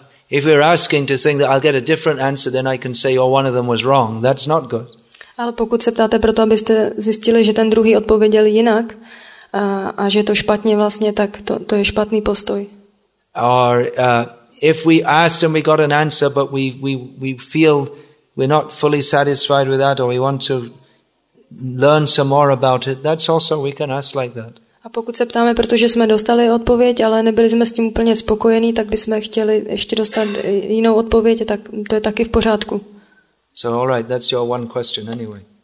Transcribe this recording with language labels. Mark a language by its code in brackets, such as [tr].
[en] If we're asking to think that I'll get a different answer, then I can say, oh, one of them was wrong. That's not good. [cs] Ale pokud se ptáte proto, abyste zjistili, že ten druhý odpověděl jinak a že je to špatně vlastně, tak to je špatný postoj. [en] Or if we asked and we got an answer, but we feel we're not fully satisfied with that, or we want to learn some more about it, that's also we can ask like that. [cs] A pokud se ptáme, protože jsme dostali odpověď, ale nebyli jsme s tím úplně spokojení, tak bychom chtěli ještě dostat jinou odpověď, tak to je taky v pořádku. [en] So all right, that's your one question anyway.